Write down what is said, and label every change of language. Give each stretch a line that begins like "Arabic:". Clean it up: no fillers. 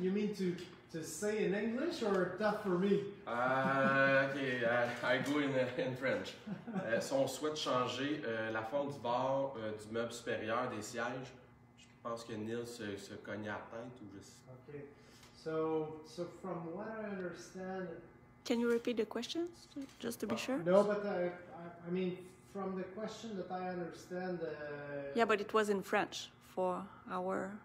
English: You mean to say in English or tough for me? Okay, I go in French.
French: Si on souhaite changer la forme du bord du meuble supérieur des sièges, je pense que Neil se cogne à la tête ou juste.
English: Okay, so from what I understand. Can you repeat the question, just to be sure? No, but I mean, from the question that I understand. Yeah, but it was in French for our.